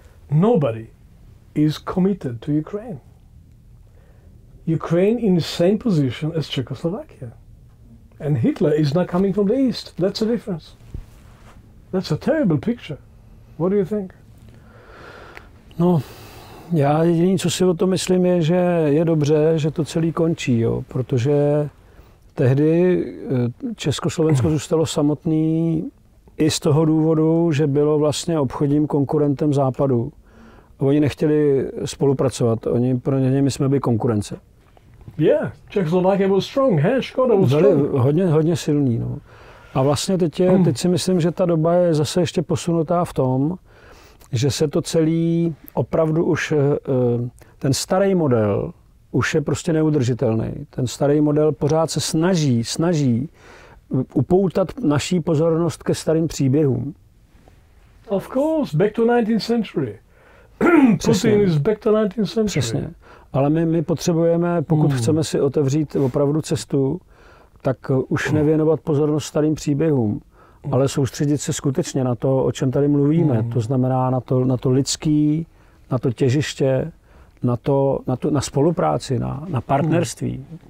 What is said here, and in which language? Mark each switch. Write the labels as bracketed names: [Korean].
[English] Nobody is committed to Ukraine. Ukraine in the same position as Czechoslovakia. And Hitler is not coming from the East. That's the difference. That's a terrible picture. What do you think? [Czech] No, já jediné, co si o tom myslím, je, že je dobře, že to celý končí, jo, protože tehdy Československo zůstalo samotný i z toho důvodu, že bylo vlastně obchodním konkurentem Západu. Oni nechtěli spolupracovat, oni pro ně my jsme byli konkurence. [English] Yeah, Czechoslovakia was strong, hey, Škoda was strong. [Czech] Hodně silný, no. A vlastně teď si myslím, že ta doba je zase ještě posunutá v tom, že se to celý opravdu už, ten starý model už je prostě neudržitelný. Ten starý model pořád se snaží upoutat naší pozornost ke starým příběhům. [English] Of course, back to 19th century. Putin is back to 19th century. [Czech] Přesně. Ale my potřebujeme, pokud chceme si otevřít opravdu cestu, tak už nevěnovat pozornost starým příběhům, ale soustředit se skutečně na to, o čem tady mluvíme. To znamená na to lidský, na to těžiště, na spolupráci, na partnerství.